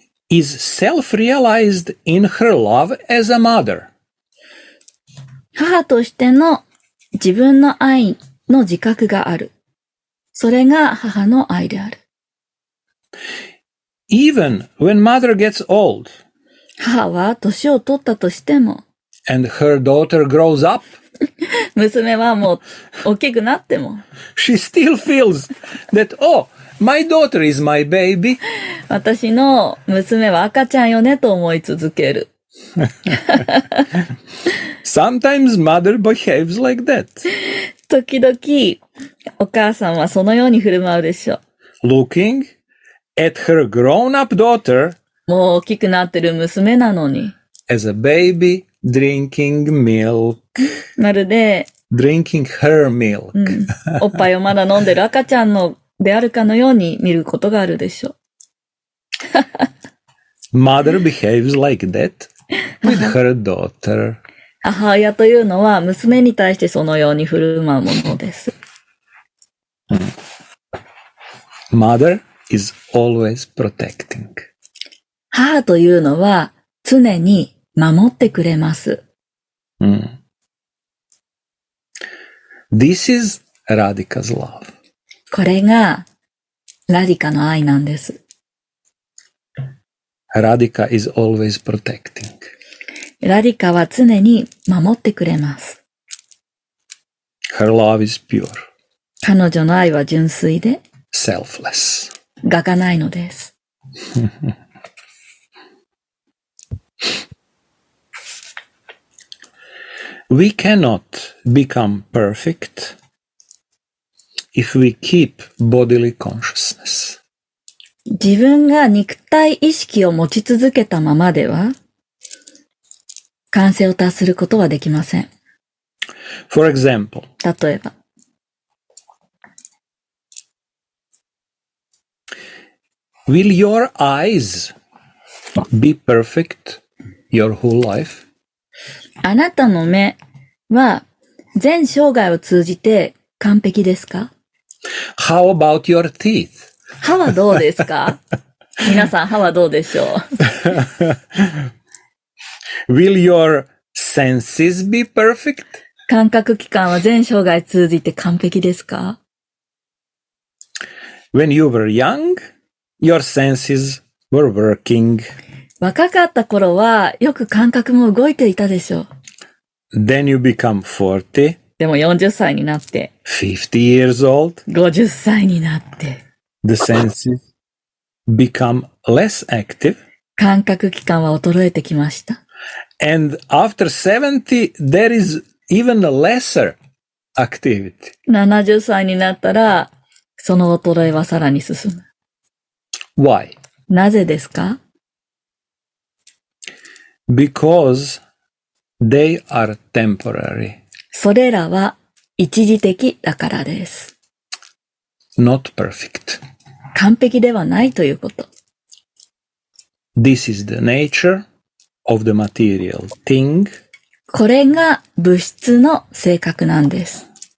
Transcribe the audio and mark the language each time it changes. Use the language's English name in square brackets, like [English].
[English] is self-realized in her love as a mother. [Japanese] 母としての自分の愛の自覚がある。それが母の愛である。 [English] Even when mother gets old, [Japanese] 母は年を取ったとしても、 [English] And her daughter grows up. [Japanese] 娘はもう大きくなっても、 [English] She still feels that, oh, my daughter is my baby. [Japanese] 私の娘は赤ちゃんよねと思い続ける。 [English] Sometimes mother behaves like that. [Japanese] 時々お母さんはそのように振る舞うでしょう。 [English] Looking at her grown-up daughter, [Japanese] もう大きくなってる娘なのに、 [English] as a baby drinking milk, [Japanese] まるで、 [English] drinking her milk、 [Japanese] うん、おっぱいをまだ飲んでる赤ちゃんのであるかのように見ることがあるでしょう。 [English] Mother behaves like that with her daughter. [Japanese] 母親というのは娘に対してそのように振る舞うものです。 [English] Mother is always protecting. [Japanese] 母というのは常に守ってくれます。 Mm. [English] This is Radhika's love. [Japanese] これがラディカの愛なんです。 [English] Radhika is always protecting. [Japanese] Radhika は常に守ってくれます。 [English] Her love is pure. [Japanese] 彼女の愛は純粋で、 [English] selfless. [Japanese] 我がないのです。 [English] We cannot become perfect if we keep bodily consciousness. [Japanese] 自分が肉体意識を持ち続けたままでは、完成を達することはできません。 [English] For example, [Japanese] 例えば、 [English] Will your eyes be perfect your whole life? [Japanese] あなたの目は全生涯を通じて完璧ですか? [English] How about your teeth? [Japanese] 歯はどうですか? 皆さん歯はどうでしょう? [English] Will your senses be perfect? [Japanese] 感覚器官は全生涯通じて完璧ですか? [English] When you were young, your senses were working. [Japanese] 若かった頃はよく感覚も動いていたでしょう。 [English] Then you become 40. [Japanese] でも40歳になって。 [English] 50 years old. [Japanese] 50歳になって。 [English] The senses become less active. [Japanese] 感覚器官は衰えてきました。 [English] And after 70, there is even a lesser activity. [Japanese] 70歳になったら、その衰えはさらに進む。 [English] Why? [Japanese] なぜですか? [English] Because They are temporary. [Japanese] それらは一時的だからです。 [English] Not perfect. [Japanese] 完璧ではないということ。 [English] This is the nature of the material thing. [Japanese] これが物質の性格なんです。